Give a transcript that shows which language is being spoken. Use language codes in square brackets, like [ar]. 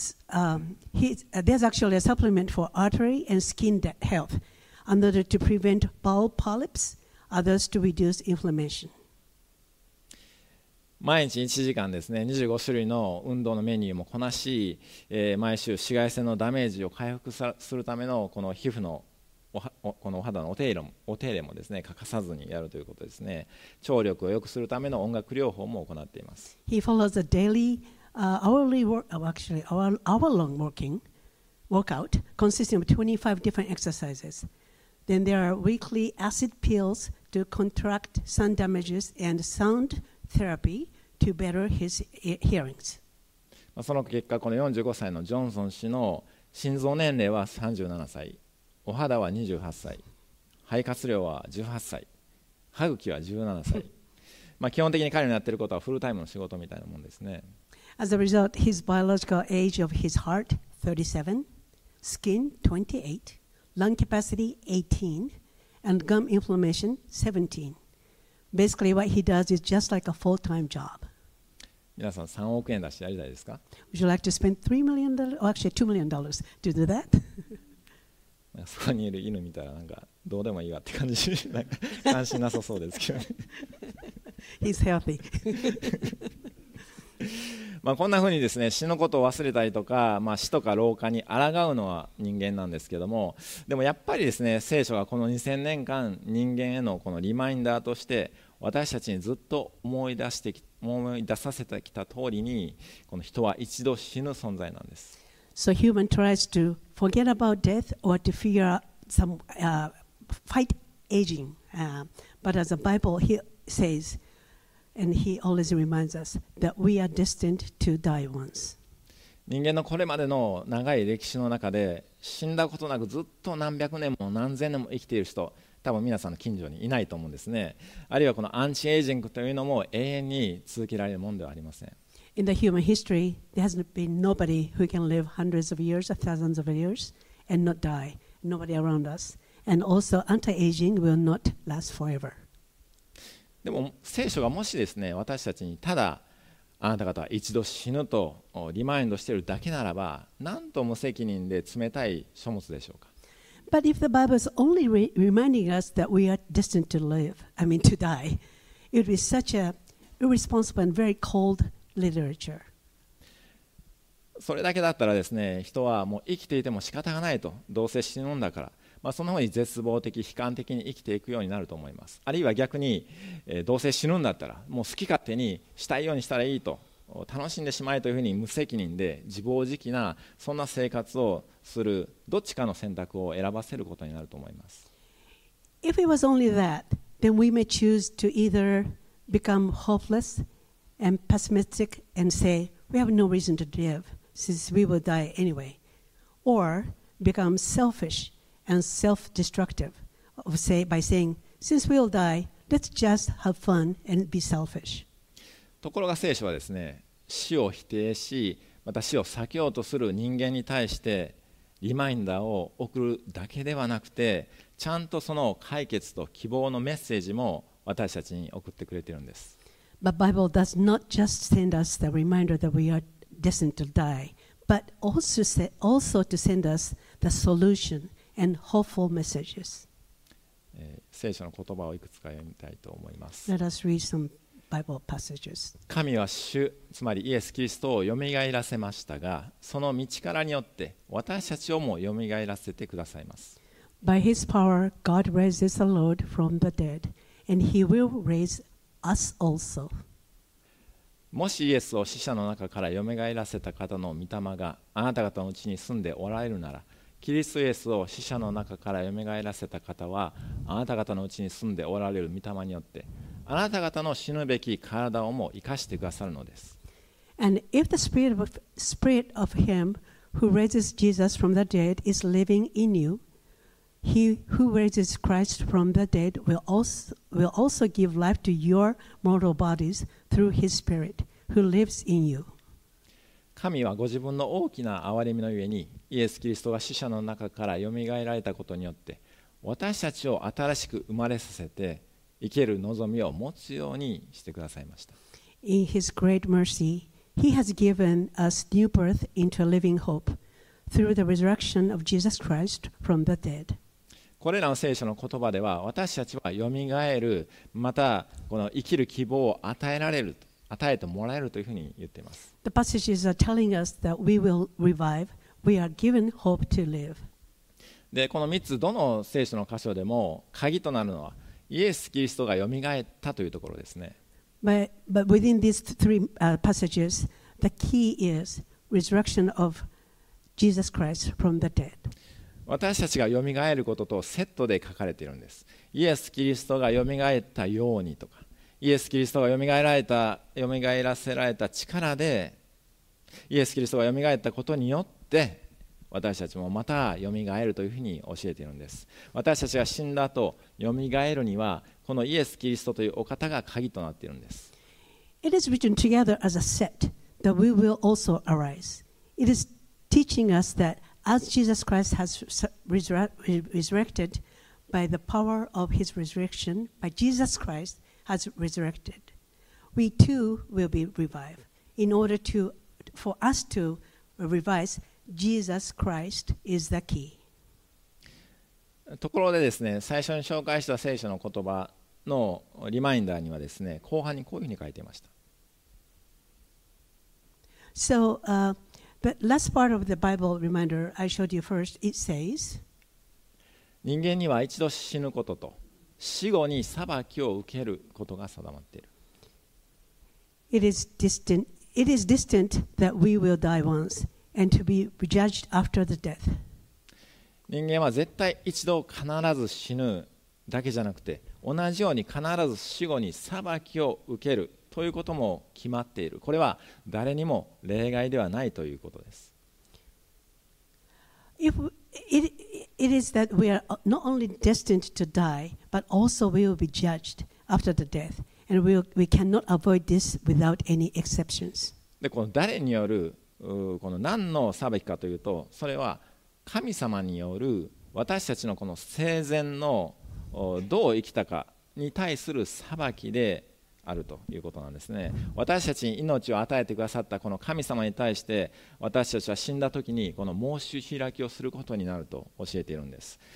[en] There's actually a supplement for artery and skin health, another to prevent bowel polyps, others to reduce inflammation. [ja] 毎日1時間ですね、25種類の運動のメニューもこなし、毎週紫外線のダメージを回復するためのこの皮膚のこのお肌のお手入れもですね、欠かさずにやるということですね。聴力を良くするための音楽療法も行っています。 [en] He follows a daily hourly work, actually hour long working workout consisting of 25 different exercises. Then there are weekly acid pills to contract sun damages and sound therapy to better his hearing. [ja] その結果、この45歳のジョンソン氏の心臓年齢は37歳、お肌は28歳、肺活量は18歳、歯茎は17歳。まあ基本的に彼のやってることはフルタイムの仕事みたいなもんですね。 [en] As a result, his biological age of his heart 37, skin 28, lung capacity 18, and gum inflammation 17. Basically, what he does is just like a full-time job. [ja] 皆さん3億円出してやりたいですか? [en] Would you like to spend $3 million, or actually $2 million to do that? [ja] そこにいる犬見たらなんかどうでもいいわって感じ、なんか関心なさそうですけどね。 [en] He's healthy. [ja] まあこんな風にですね、死のことを忘れたりとか、まあ、死とか老化に抗うのは人間なんですけども、でもやっぱりですね、聖書がこの2000年間人間へのこのリマインダーとして私たちにずっと思い出させてきた通りに、この人は一度死ぬ存在なんです。 [en] So human tries to forget about death or to figure out some, fight aging, but as the Bible he says,And he always reminds us that we are destined to die once. [ja] 人間のこれまでの長い歴史の中で死んだことなくずっと何百年も何千年も生きている人、多分皆さんの近所にいないと思うんですね。あるいはこのアンチエイジングというのも永遠に続けられるものではありません。 [en] In the human history, there hasn't been nobody who can live hundreds of years or thousands of years and not die. Nobody around us. And also, anti-aging will not last forever. [ja] でも聖書がもしですね、私たちにただあなた方は一度死ぬとリマインドしているだけならば、なんと無責任で冷たい書物でしょうか。 [en] But if the Bible is only reminding us that we are destined to live, I mean to die, it would be such a irresponsible and very cold literature. [ja] それだけだったらですね、人はもう生きていても仕方がないと、どうせ死ぬんだから、まあ、そのように絶望的、悲観的に生きていくようになると思います。あるいは逆に、どうせ死ぬんだったら、もう好き勝手にしたいようにしたらいいと、楽しんでしまえというふうに無責任で自暴自棄な、そんな生活をする、どっちかの選択を選ばせることになると思います。 [en] If it was only that, then we may choose to either become hopeless and pessimistic and say, we have no reason to live, since we will die anyway, or become selfish. And self-destructive, of say by saying, since we'll die, let's just have fun and be selfish. [ja] ところが聖書はですね、死を否定し、また死を避けようとする人間に対してリマインダーを送るだけではなくて、ちゃんとその解決と希望のメッセージも私たちに送ってくれているんです。 [en] But Bible does not just send us the reminder that we are destined to die, but also to send us the solution. And hopeful messages. [ja] 聖書の言葉をいくつか読みたいと思います。 [en] Let us read some Bible passages. [ja] 神は主、つまりイエス・キリストをよみがえらせましたが、その御力によって私たちをもよみがえらせてくださいます。 [en] By his power, God raises the Lord from the dead, and he will raise us also. [ja] もしイエスを死者の中からよみがえらせた方の御霊があなた方のうちに住んでおられるなら、キリストイエスを死者の中からよみがえらせた方は、あなた方のうちに住んでおられる御霊によって、あなた方の死ぬべき体をも生かしてくださるのです。 [en] And if the spirit of him who raises Jesus from the dead is living in you, he who raises Christ from the dead will also give life to your mortal bodies through his spirit who lives in you. [ja] 神はご自分の大きな憐れみのゆえに、イエス・キリストが死者の中からよみがえられたことによって、私たちを新しく生まれさせて、生ける望みを持つようにしてくださいました。 [en] In his great mercy, he has given us new birth into a living hope through the resurrection of Jesus Christ from the dead. [ja] これらの聖書の言葉では、私たちはよみがえる、またこの生きる希望を与えられると。与えてもらえるというふうに言っています。 [en] The passages are telling us that we will revive. We are given hope to live. [ja] で、この3つどの聖書の箇所でも鍵となるのはイエス・キリストがよみがえったというところですね。 [en] But within these three passages, the key is resurrection of Jesus Christ from the dead. [ja] 私たちがよみがえることとセットで書かれているんです。イエス・キリストがよみがえったようにとか、イエス・キリストがよみがえらせられた力で、イエス・キリストがよみがえったことによって私たちもまたよみがえるというふうに教えているんです。私たちが死んだ後よみがえるにはこのイエス・キリストというお方が鍵となっているんです。 [en] It is written together as a set that we will also arise. It is teaching us that as Jesus Christ has resurrected by the power of his resurrection, by Jesus Christ has resurrected, we too will be revived in order to, for us to revise. Jesus Christ is the key. [ja] ところでですね、最初に紹介した聖書の言葉のリマインダーにはですね、後半にこういうふうに書いていました。 [en] So, the last part of the Bible reminder I showed you first, it says, [ja] 人間には一度死ぬことと死後に裁きを受けることが定まっている。 [en] It is distant that we will die once. And to be judged after the death. [ja] 人間は絶対一度必ず死ぬだけじゃなくて、同じように必ず死後に裁きを受けるということも決まっている。これは誰にも例外ではないということです。 [en] It is that we are not only destined to die, but also we will be judged after the death, and we cannot avoid this without any exceptions. [ja] で、この誰によるこの何の裁きかというと、それは神様による私たちのこの生前のどう生きたかに対する裁きであるということなんですね。私たちに命を与えてくださったこの神様に対して、私たちは死んだ時にこの申し開きをすることになると教えているんです。